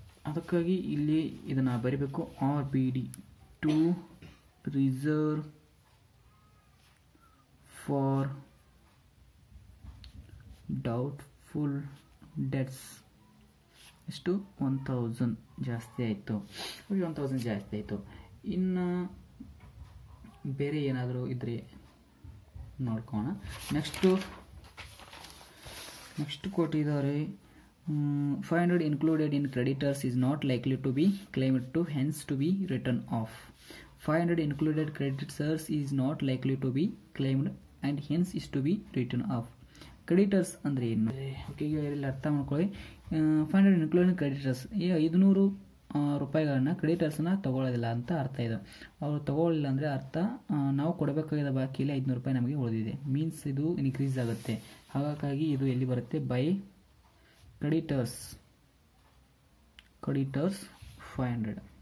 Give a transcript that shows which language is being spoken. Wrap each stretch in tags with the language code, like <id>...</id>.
<kn>ಅದಕ್ಕಾಗಿ ಇಲ್ಲಿ ಇದನ್ನು ಬರೀಬೇಕು,</kn> <en>R B D to reserve for doubtful debts.</en> <kn>ಎಷ್ಟು? 1,000 ಜಾಸ್ತಿ ಆಯಿತು. ಓಕೆ, 1,000 ಜಾಸ್ತಿ ಆಯಿತು. ಇನ್ನು ಬೇರೆ ಏನಾದರೂ ಇದ್ರೆ ನೋಡ್ಕೋಣ. ನೆಕ್ಸ್ಟು ಕೊಟ್ಟಿದ್ದಾರೆ</kn> <en>500 included in creditors is not likely to be claimed to hence to be written off. 500 included creditors is not likely to be claimed and hence is to be written off.</en> <kn>Creditors ಅಂದರೆ ಏನು? Okay, ಈಗ ಇಲ್ಲಿ ಅರ್ಥ ಮಾಡ್ಕೊಳ್ಳಿ. 500 including creditors, ಈಗ 500 ರೂಪಾಯಿಗಳನ್ನು ಕ್ರೆಡಿಟರ್ಸನ್ನು ತೊಗೊಳ್ಳೋದಿಲ್ಲ ಅಂತ ಅರ್ಥ ಇದು. ಅವರು ತೊಗೊಳ್ಳಿಲ್ಲ ಅಂದರೆ ಅರ್ಥ ನಾವು ಕೊಡಬೇಕಾಗಿದ್ದ ಬಾಕಿಯಲ್ಲಿ 500 ರೂಪಾಯಿ ನಮಗೆ ಉಳಿದಿದೆ. ಮೀನ್ಸ್ ಇದು ಇನ್ಕ್ರೀಸ್ ಆಗುತ್ತೆ. ಹಾಗಾಗಿ ಇದು ಎಲ್ಲಿ ಬರುತ್ತೆ?</kn> <en>By creditors, creditors 500.</en>